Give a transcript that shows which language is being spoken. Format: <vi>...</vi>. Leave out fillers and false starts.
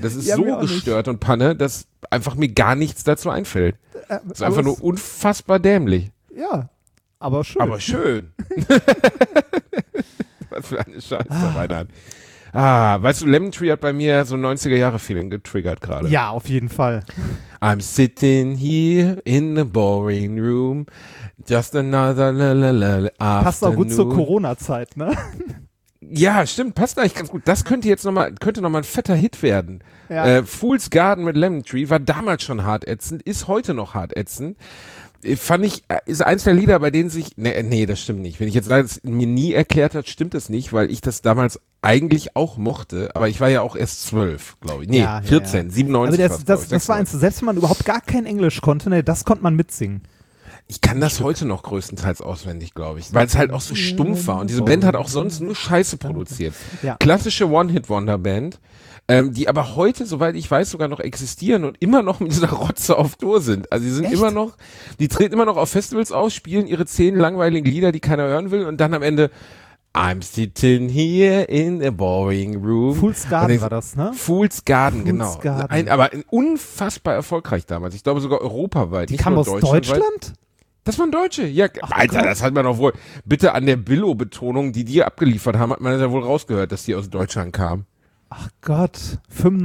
<de>Das ist ja, so gestört nicht. Und Panne, dass einfach mir gar nichts dazu einfällt. Das ist einfach nur unfassbar dämlich. Ja, aber schön. Aber schön. Was für eine Scheiße, Reinhard. Ah, weißt du, Lemon Tree hat bei mir so 90er-Jahre-Feeling getriggert gerade. Ja, auf jeden Fall.</de> <en>I'm sitting here in the boring room, just another afternoon.</en> <de>Passt auch gut zur Corona-Zeit, ne? Ja, stimmt, passt eigentlich ganz gut. Das könnte jetzt nochmal ein fetter Hit werden. Ja. Fool's Garden mit Lemon Tree war damals schon hart ätzend, ist heute noch hart ätzend. Fand ich, ist eins der Lieder, bei denen sich, nee, das stimmt nicht. Wenn ich jetzt sage, es mir nie erklärt hat, stimmt das nicht, weil ich das damals eigentlich auch mochte, aber ich war ja auch erst 12, glaube ich. Nee, ja, 14, ja, ja. 97. Also das war eins, selbst wenn man überhaupt gar kein Englisch konnte, nee, das konnte man mitsingen. Ich kann das heute noch größtenteils auswendig, glaube ich, weil es halt auch so stumpf war und diese Band hat auch sonst nur Scheiße produziert. Ja. Klassische One-Hit-Wonder-Band. Die aber heute, soweit ich weiß, sogar noch existieren und immer noch mit dieser Rotze auf Tour sind. Also die sind immer noch, die treten immer noch auf Festivals aus, spielen ihre 10 langweiligen Lieder, die keiner hören will und dann am Ende,</de> <en>I'm sitting here in a boring room.</en> <de>Fool's Garden war das, ne? Fool's Garden, genau. Garden. Aber unfassbar erfolgreich damals. Ich glaube sogar europaweit. Die kam aus Deutschland? Das waren Deutsche. Ja, ach, Alter, Gott. Das hat man doch wohl. Bitte an der Billo-Betonung, die die abgeliefert haben, hat man das ja wohl rausgehört, dass die aus Deutschland kamen. Ach Gott. 95</de>